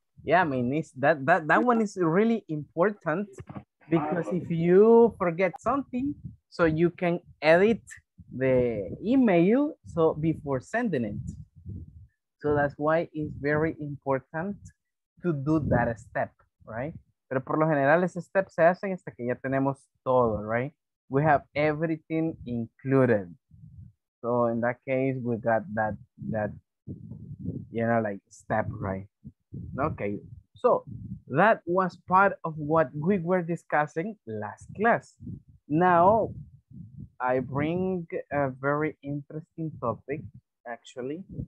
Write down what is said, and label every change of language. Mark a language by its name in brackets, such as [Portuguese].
[English] Yeah, I mean, that one is really important, because if you forget something, so you can edit the email so before sending it. So that's why it's very important to do that step, right? [Spanish] Pero por lo general, ese step se hace hasta que ya tenemos todo, right? [English] We have everything included. So in that case, we got that, you know, like, step, right? Okay, so that was part of what we were discussing last class. Now, I bring a very interesting topic, actually.